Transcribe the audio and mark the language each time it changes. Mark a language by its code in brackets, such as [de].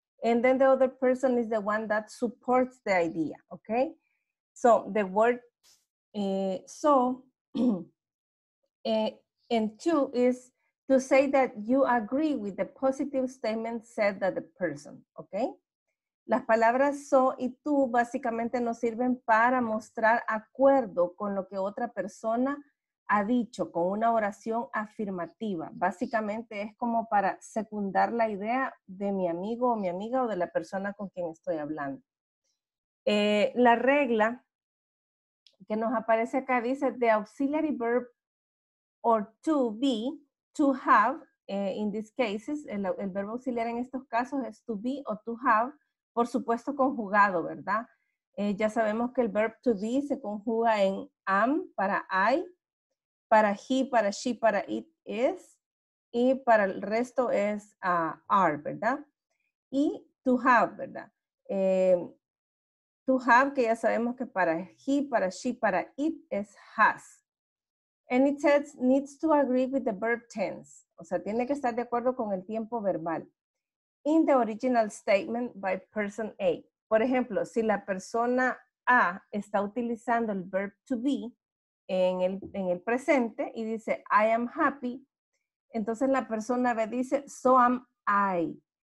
[en] And then the other person is the one that supports the idea, okay? So the word so and to is, to say that you agree with the positive statement said that the person, okay? [es] Las palabras so y tú básicamente nos sirven para mostrar acuerdo con lo que otra persona ha dicho, con una oración afirmativa. Básicamente es como para secundar la idea de mi amigo o mi amiga o de la persona con quien estoy hablando. La regla que nos aparece acá dice [en] the auxiliary verb or to be, to have, in these cases, [es] el verbo auxiliar en estos casos es to be o to have, por supuesto conjugado, ¿verdad? Ya sabemos que el verb to be se conjuga en am, para I, para he, para she, para it, is, y para el resto es are, ¿verdad? Y to have, ¿verdad? To have, que ya sabemos que para he, para she, para it, es has. [en] And it says, needs to agree with the verb tense. [es] O sea, tiene que estar de acuerdo con el tiempo verbal. [en] In the original statement by person A. [es] Por ejemplo, si la persona A está utilizando el verb to be en el presente y dice, [en] I am happy, [es] entonces la persona B dice, [en] so am I.